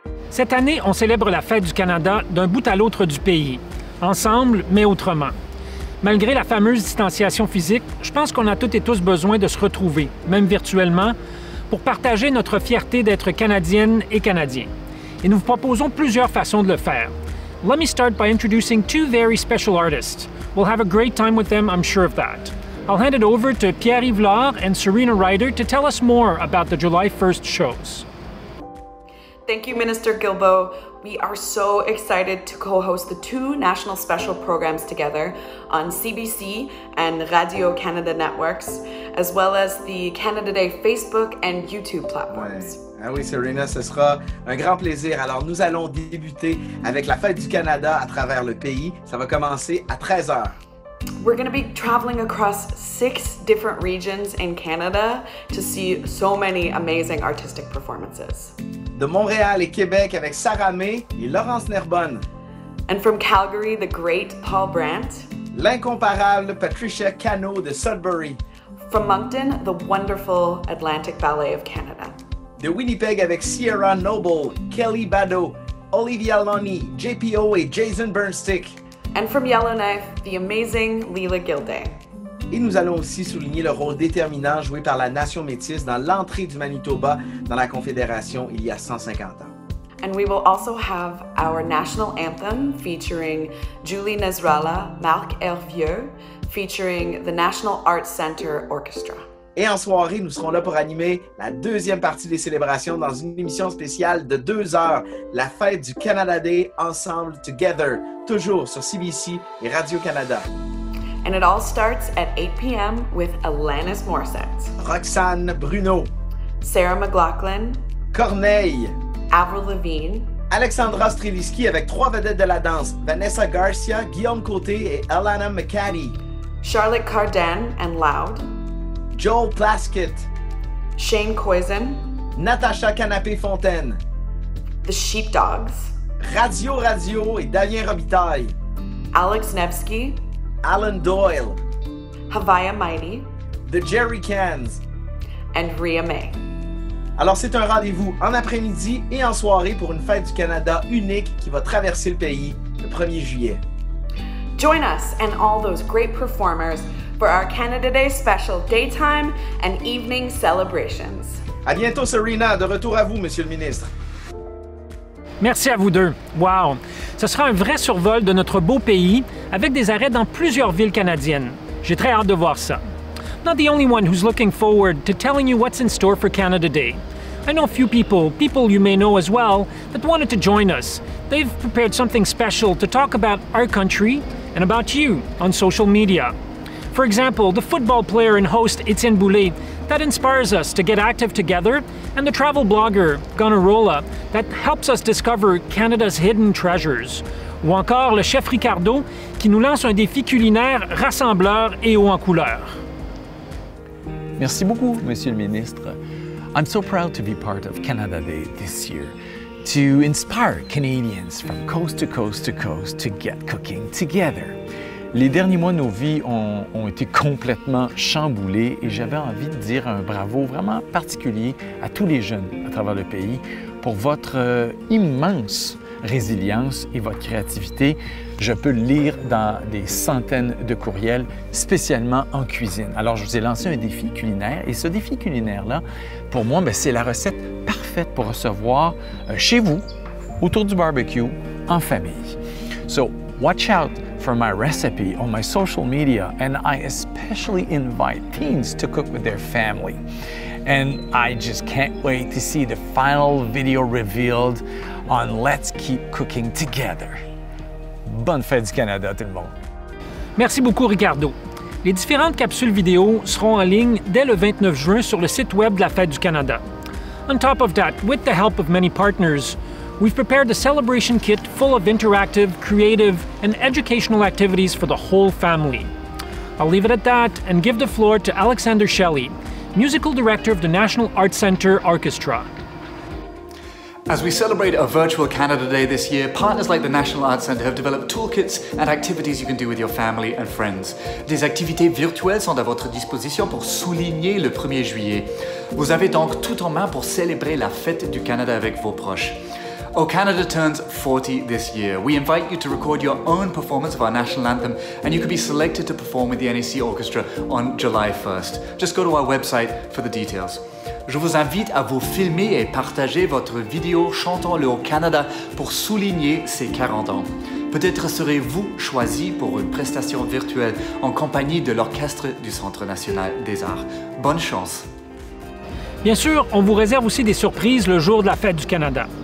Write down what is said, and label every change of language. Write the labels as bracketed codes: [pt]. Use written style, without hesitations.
[fr] Cette année, on célèbre la fête du Canada d'un bout à l'autre du pays, ensemble, mais autrement. Malgré la fameuse distanciation physique, je pense qu'on a toutes et tous besoin de se retrouver, même virtuellement, pour partager notre fierté d'être Canadienne et Canadien. Et nous vous proposons plusieurs façons de le faire. [en] Let me start by introducing two very special artists. We'll have a great time with them, I'm sure of that. I'll hand it over to Pierre-Yves Laure and Serena Ryder to tell us more about the July 1st shows. Thank you, Minister Guilbeault. We are so excited to co-host the two national special programs together on CBC and Radio Canada Networks, as well as the Canada Day Facebook and YouTube platforms. [fr] Ouais. Ah oui, Serena, ce sera un grand plaisir. Alors, nous allons débuter avec la fête du Canada à travers le pays. Ça va commencer à 13h. [en] We're going to be traveling across six different regions in Canada to see so many amazing artistic performances. [fr] De Montréal et Québec avec Sarah May et Laurence Nerbonne. [en] And from Calgary, the great Paul Brandt. [fr] L'incomparable Patricia Cano de Sudbury. [en] From Moncton, the wonderful Atlantic Ballet of Canada. [fr] De Winnipeg avec Sierra Noble, Kelly Bado, Olivia Lonnie, JPO et Jason Bernstick. [en] And from Yellowknife, the amazing Leela Gilday. [fr] Et nous allons aussi souligner le rôle déterminant joué par la Nation métisse dans l'entrée du Manitoba dans la Confédération il y a 150 ans. [en] And we will also have our national anthem featuring Julie Nesralla, Marc Hervieux, featuring the National Arts Center Orchestra. [fr] Et en soirée, nous serons là pour animer la deuxième partie des célébrations dans une émission spéciale de 2 heures, la fête du Canada Day Ensemble Together, toujours sur CBC et Radio-Canada. [en] And it all starts at 8 p.m. with Alanis Morissette, Roxane Bruno, Sarah McLachlan, Corneille, Avril Lavigne, [fr] Alexandra Strelitzky avec trois vedettes de la danse, Vanessa Garcia, Guillaume Côté et Alana McCaddy, [en] Charlotte Cardin and Loud, Joel Plaskett, Shane Coison, Natasha Canapé-Fontaine, The Sheepdogs, [fr] Radio Radio et Damien Robitaille, Alex Nevsky, Alan Doyle, Havaya Mighty, The Jerry Cans, [en] and Rhea May. [fr] Alors c'est un rendez-vous en après-midi et en soirée pour une fête du Canada unique qui va traverser le pays le 1er juillet. [en] Join us and all those great performers for our Canada Day special daytime and evening celebrations. [fr] À bientôt, Serena. De retour à vous, Monsieur le Ministre. Merci à vous deux. Wow! Ce sera un vrai survol de notre beau pays avec des arrêts dans plusieurs villes canadiennes. J'ai très hâte de voir ça. [en] Not the only one who's looking forward to telling you what's in store for Canada Day. I know a few people you may know as well, that wanted to join us. They've prepared something special to talk about our country and about you on social media. For example, the football player and host Étienne Boulay, that inspires us to get active together, and the travel blogger Gonorola, that helps us discover Canada's hidden treasures. [fr] Ou encore le chef Ricardo, qui nous lance un défi culinaire rassembleur et haut en couleur. Merci beaucoup, Monsieur le Ministre. [en] I'm so proud to be part of Canada Day this year. To inspire Canadians from coast to coast to coast to get cooking together. [fr] Les derniers mois de nos vies ont été complètement chamboulés et j'avais envie de dire un bravo vraiment particulier à tous les jeunes à travers le pays pour votre immense résilience et votre créativité. Je peux le lire dans des centaines de courriels, spécialement en cuisine. Alors, je vous ai lancé un défi culinaire et ce défi culinaire-là, pour moi, bien, c'est la recette parfaite pour recevoir chez vous, autour du barbecue, en famille. [en] So, watch out for my recipe on my social media, and I especially invite teens to cook with their family. And I just can't wait to see the final video revealed on Let's Keep Cooking Together. [fr] Bonne fête du Canada, tout le monde! Merci beaucoup, Ricardo. Les différentes capsules vidéo seront en ligne dès le 29 juin sur le site web de la Fête du Canada. [en] On top of that, with the help of many partners, we've prepared a celebration kit full of interactive, creative, and educational activities for the whole family. I'll leave it at that and give the floor to Alexander Shelley, musical director of the National Arts Center Orchestra. As we celebrate a virtual Canada Day this year, partners like the National Arts Center have developed toolkits and activities you can do with your family and friends. [fr] Des activités virtuelles sont à votre disposition pour souligner le 1er juillet. Vous avez donc tout en main pour célébrer la fête du Canada avec vos proches. [en] Oh, Canada turns 40 this year. We invite you to record your own performance of our national anthem, and you can be selected to perform with the NEC Orchestra on July 1st. Just go to our website for the details. [fr] Je vous invite à vous filmer et partager votre vidéo chantant le Haut Canada pour souligner ses 40 ans. Peut-être serez-vous choisi pour une prestation virtuelle en compagnie de l'Orchestre du Centre national des arts. Bonne chance! Bien sûr, on vous réserve aussi des surprises le jour de la Fête du Canada.